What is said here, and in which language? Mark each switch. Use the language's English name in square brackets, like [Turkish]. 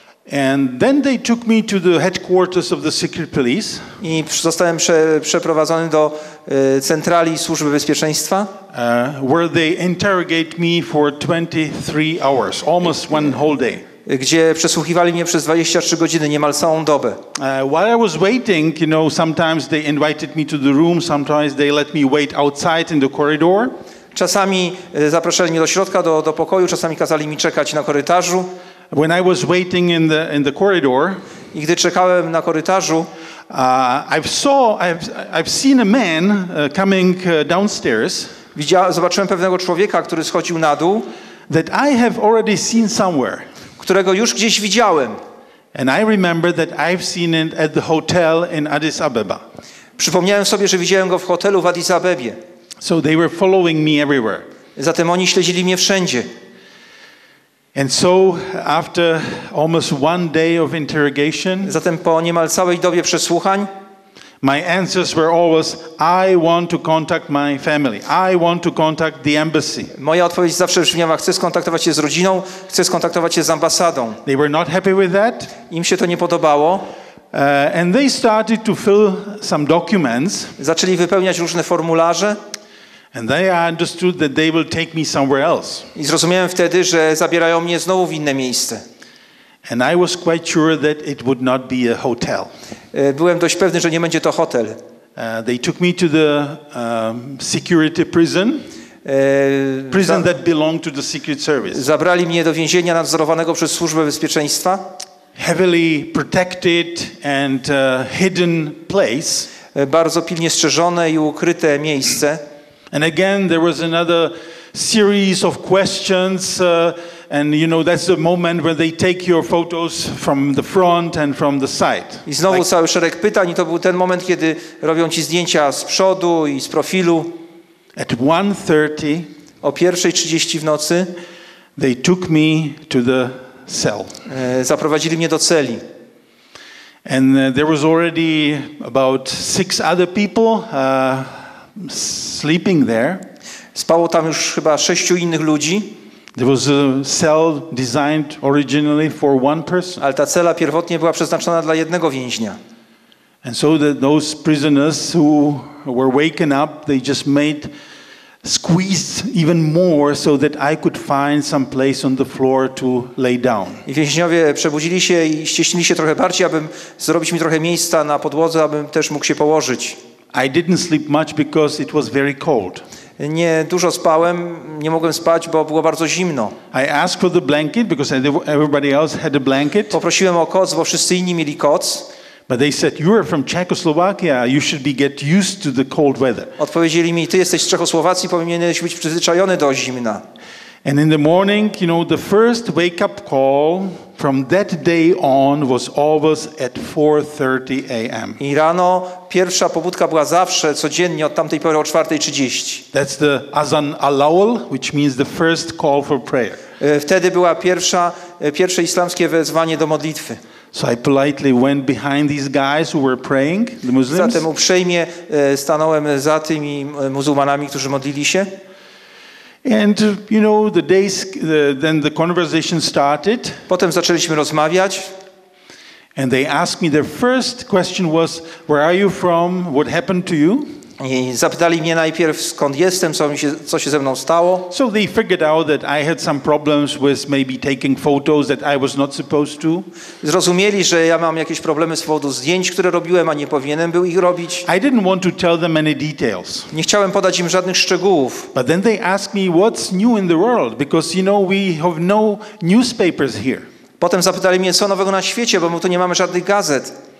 [English] And then they took me to the headquarters of the secret police. [Polish] I zostałem przeprowadzony do centrali służby bezpieczeństwa. [English] Where they interrogate me for 23 hours, almost one whole day. [Polish] Gdzie przesłuchiwali mnie przez 23 godziny, niemal całą dobę. [English] While I was waiting, you know, sometimes they invited me to the room, sometimes they let me wait outside in the corridor. [Polish] Czasami zapraszali mnie do środka, do pokoju, czasami kazali mi czekać na korytarzu. [English] When I was waiting in the corridor, [Polish] i gdy czekałem na korytarzu, [English] I've seen a man coming downstairs. [Polish] Zobaczyłem pewnego człowieka, który schodził na dół. [English] That I have already seen somewhere. [Polish] Którego już gdzieś widziałem. [English] And I remember that I've seen it at the hotel in Addis Ababa. [Polish] Przypomniałem sobie, że widziałem go w hotelu w Addis Abebie. [English] So they were following me everywhere. [Polish] Zatem oni śledzili mnie wszędzie. [English] And so after almost one day of interrogation, [Polish] zatem po niemal całej dobie przesłuchań, [English] my answers were always, I want to contact my family. I want to contact the embassy. [Polish] Moja odpowiedź zawsze brzmiała, chcę skontaktować się z rodziną, chcę skontaktować się z ambasadą. [English] They were not happy with that. [Polish] Im się to nie podobało. [English] And they started to fill some documents. [Polish] Zaczęli wypełniać różne formularze. [English] And they understood that they will take me somewhere else. [Polish] I zrozumiałem wtedy, że zabierają mnie znowu w inne miejsce. [English] And I was quite sure that it would not be a hotel. [Polish] Byłem dość pewny, że nie będzie to hotel. [English] They took me to the security prison. Prison that belonged to the secret service. [Polish] Zabrali mnie do więzienia nadzorowanego przez służbę bezpieczeństwa. [English] Heavily protected and hidden place. [Polish] Bardzo pilnie strzeżone i ukryte miejsce. [English] And again there was another series of questions. And you know that's the moment where they take your photos from the front and from the side. [Polish] I znowu like, cały szereg pytań, i to był ten moment, kiedy robią ci zdjęcia z przodu i z profilu. [English] At 1:30, [Polish] o 1:30 w nocy, [English] they took me to the cell. [Polish] Zaprowadzili mnie do celi. [English] And there was already about six other people sleeping there. [Polish] Spało tam już chyba sześciu innych ludzi. [English] There was a cell designed originally for one person. [Polish] Ale ta cela pierwotnie była przeznaczona dla jednego więźnia. [English] And so those prisoners who were waken up, they just made squeezed even more so that I could find some place on the floor to lay down. [Polish] I więźniowie przebudzili się i ściśnili się trochę bardziej, abym zrobić mi trochę miejsca na podłodze, abym też mógł się położyć. [English] I didn't sleep much because it was very cold. [Polish] Nie dużo spałem, nie mogłem spać, bo było bardzo zimno. [English] I asked for the blanket because everybody else had a blanket. [Polish] Poprosiłem o koc, bo wszyscy inni mieli koc. [English] But they said, you are from Czechoslovakia, you should be get used to the cold weather. [Polish] Odpowiedzieli mi, ty jesteś z Czechosłowacji, powinieneś być przyzwyczajony do zimna. [English] And in the morning, you know, the first wake-up call from that day on was always at 4:30 a.m. [Polish] I rano pierwsza pobudka była zawsze codziennie od tamtej pory o 4:30. [English] That's the azan alawl, which means the first call for prayer. [Polish] Wtedy była pierwsze islamskie wezwanie do modlitwy. [English] So I politely went behind these guys who were praying, the Muslims. [Polish] Zatem uprzejmie stanąłem za tymi muzułmanami, którzy modlili się. [English] And you know the days then the conversation started. [Polish] Potem zaczęliśmy rozmawiać. [English] And they asked me, their first question was, where are you from? What happened to you? [Polish] I zapytali mnie najpierw, skąd jestem, co się ze mną stało. [English] So they figured out that I had some problems with maybe taking photos that I was not supposed to. [Polish] Zrozumieli, że ja mam jakieś problemy z powodu zdjęć, które robiłem, a nie powinienem był ich robić. [English] I didn't want to tell them any details. [Polish] Nie chciałem podać im żadnych szczegółów. [English] But then they asked me, what's new in the world? Because, you know, we have no newspapers here. [Polish] Potem zapytali mnie, co nowego na świecie, bo my tu nie mamy żadnych gazet.